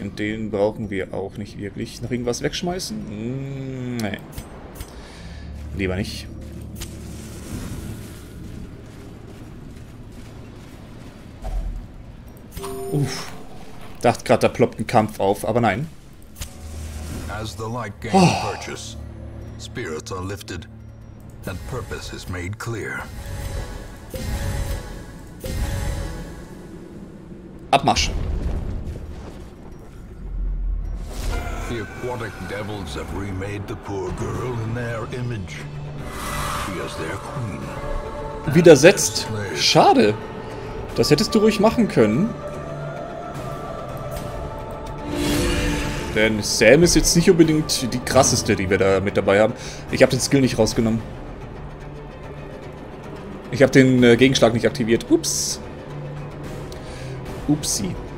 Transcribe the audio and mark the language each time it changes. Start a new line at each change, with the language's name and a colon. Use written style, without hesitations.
German: Und den brauchen wir auch nicht wirklich. Noch irgendwas wegschmeißen? Nee. Lieber nicht. Uff. Dachte gerade, da ploppt ein Kampf auf, aber nein.
English: As the light gains purchase, spirits are lifted, and purpose is made clear.
German: Abmarsch.
English: The aquatic devils have remade the poor girl in their image. She is their queen.
German: Widersetzt. Schade. Das hättest du ruhig machen können. Denn Sam ist jetzt nicht unbedingt die krasseste, die wir da mit dabei haben. Ich habe den Skill nicht rausgenommen. Ich habe den Gegenschlag nicht aktiviert. Ups. Upsi.